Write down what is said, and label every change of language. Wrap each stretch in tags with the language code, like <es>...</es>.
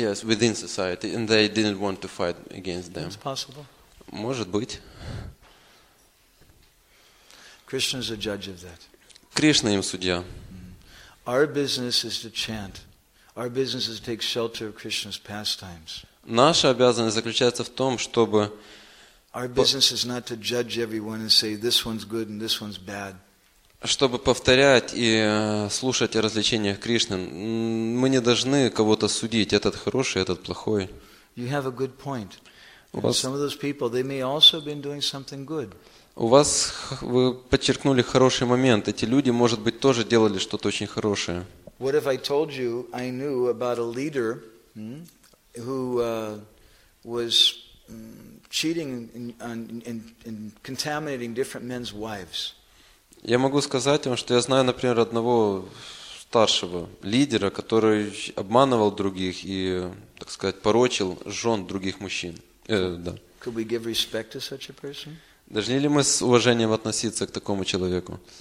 <en>Yes, within society, and they didn't want to fight against them. It's possible.</en> <ru>Может быть.</ru> <en>Krishna is a judge of that.</en> <ru>Krishna им судья.</ru> <en>Our business is to chant. Our business is to take shelter of Krishna's pastimes.</en> <ru>Наша обязанность заключается в том, чтобы.</ru> <en>Our business is not to judge everyone and say this one's good and this one's bad.</en> <ru>Чтобы повторять и слушать о развлечениях Кришны, мы не должны кого-то судить. Этот хороший, этот плохой.</ru> <en>You have a good point. And some of those people, they may also have been doing something good.</en> <ru>У вас, вы подчеркнули хороший момент. Эти люди, может быть, тоже делали что-то очень хорошее.</ru> <en>What if I told you I knew about a leader who was cheating and contaminating different men's wives?</en> <ru>Я могу сказать вам, что я знаю, например, одного старшего лидера, который обманывал других и, так сказать, порочил жен других мужчин. Да.</ru> <en>Could we give respect to such a person?</en> <ru>Должны ли мы с уважением относиться к такому человеку?</ru>